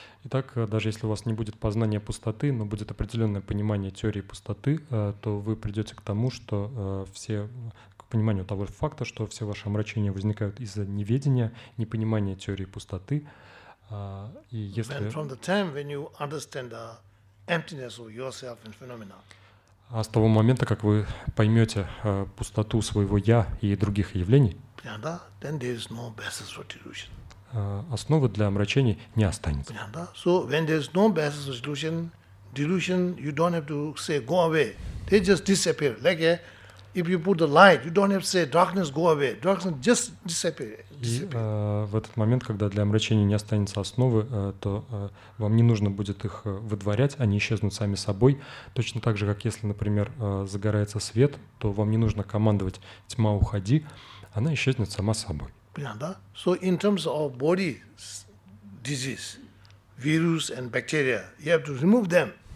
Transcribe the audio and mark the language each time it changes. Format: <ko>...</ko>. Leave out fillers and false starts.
<ru>Итак, даже если у вас не будет познания пустоты, но будет определенное понимание теории пустоты, то вы придете к тому, что все к пониманию того факта, что все ваши омрачения возникают из-за неведения, непонимания теории пустоты. И если...</ru> <en>And from the time when you understand the emptiness of yourself and phenomena.</en> <ru>А с того момента, как вы поймете пустоту своего «я» и других явлений,</ru> <en>then there is no basis for delusion.</en> <ru>Основы для омрачений не останется.</ru> <en>So when there is no basis for delusion, you don't have to say go away. They just disappear. Like if you put the light, you don't have to say darkness go away. Darkness just disappear.</en> <ru>В этот момент, когда для омрачения не останется основы, то вам не нужно будет их выдворять, они исчезнут сами собой. Точно так же, как если, например, загорается свет, то вам не нужно командовать «тьма, уходи». Она исчезнет сама собой. Понятно?</ru> <en>So in terms of body disease, virus and bacteria, you have to remove them.</en>